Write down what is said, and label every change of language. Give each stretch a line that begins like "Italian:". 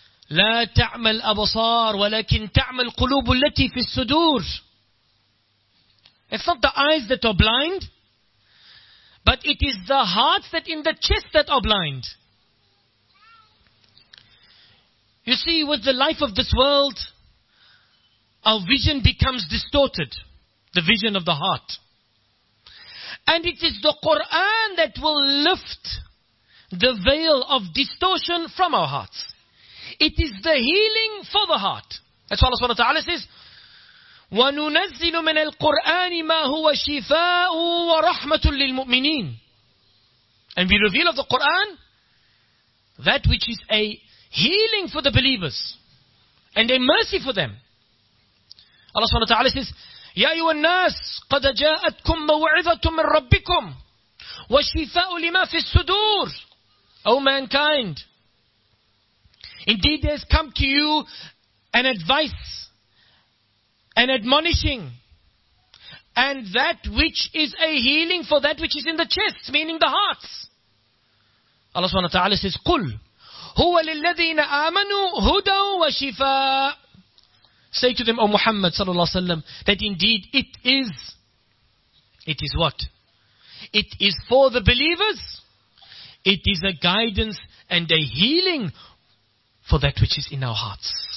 Arabic: لا تعمل أبصار ولكن تعمل قلوب التي في الصدور.
English: It's not the eyes that are blind, but it is the hearts that in the chest that are blind. You see, with the life of this world, our vision becomes distorted, the vision of the heart. And it is the Quran that will lift the veil of distortion from our hearts. It is the healing for the heart. That's why Allah subhanahu wa ta'ala says,
Arabic: وَنُنَزِّلُ مِنَ الْقُرْآنِ مَا هُوَ شِفَاءٌ وَرَحْمَةٌ لِلْمُؤْمِنِينَ.
English: And we reveal of the Quran that which is a healing for the believers and a mercy for them. Allah subhanahu wa ta'ala says,
Arabic: يَا أَيُّهَا النَّاسُ قَدْ جَاءَتْكُمْ مَوْعِظَةٌ مِّن رَّبِّكُمْ وَشِفَاءٌ لِّمَا فِي الصُّدُورِ.
English: O mankind, indeed there's come to you an advice, an admonishing, and that which is a healing for that which is in the chests, meaning the hearts. Allah subhanahu wa ta'ala says,
Arabic: قُلْ هُوَ لِلَّذِينَ آمَنُوا هُدًى وَشِفَاءٌ.
English: Say to them, O Muhammad sallallahu alayhi wa sallam, that indeed it is what? It is for the believers, it is a guidance and a healing for that which is in our hearts.